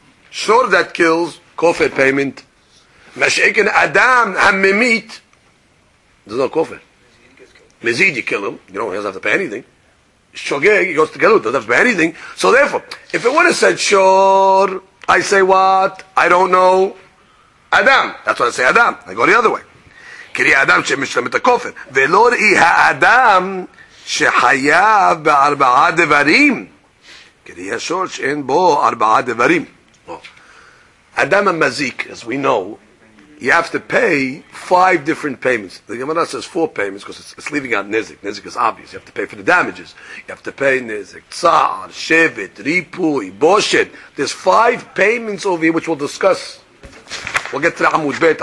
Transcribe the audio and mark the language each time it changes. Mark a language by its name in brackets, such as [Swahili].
[English] Shor that kills, kofir payment. Mashaken Adam ha-mimit. There's no kofir. Mezid, you kill him. You know, he doesn't have to pay anything. Shoge, he goes to Galut. Doesn't have to pay anything. So therefore, if it would have said shor, I say what? I don't know. Adam. That's what I say, Adam. I go the other way. [Hebrew] כי האדם שמשלם את הכופר, ולא ראי האדם שחייב בארבעה דברים, כי השור שאין בו ארבעה דברים. [English] אדם המזיק, as we know, you have to pay five different payments. The Gemara says four payments because it's leaving out nezik. Nezik is obvious. You have to pay for the damages. You have to pay nezik, tsar, shevet, ripui, boshet. There's five payments over here which we'll discuss. We'll get to the Amud Bet.